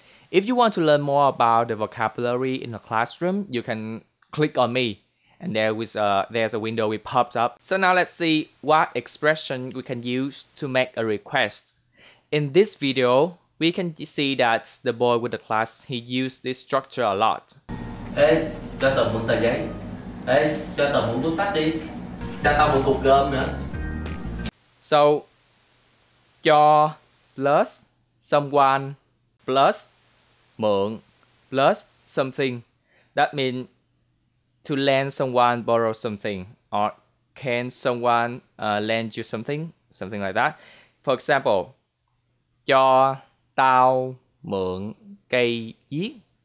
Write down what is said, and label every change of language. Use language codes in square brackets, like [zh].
[en] If you want to learn more about the vocabulary in the classroom, you can click on me. And there's a window we popped up. So now let's see what expression we can use to make a request. In this video, we can see that the boy with the class, he used this structure a lot. [vi] Ê, cho tao mượn tờ giấy. Ê, cho tao mượn cuốn sách đi. Cho tao mượn cục gom nữa. [en] So, cho plus someone plus mượn plus something. That means to lend someone borrow something, or can someone lend you something like that. For example, [vi] cho tao mượn cây viết.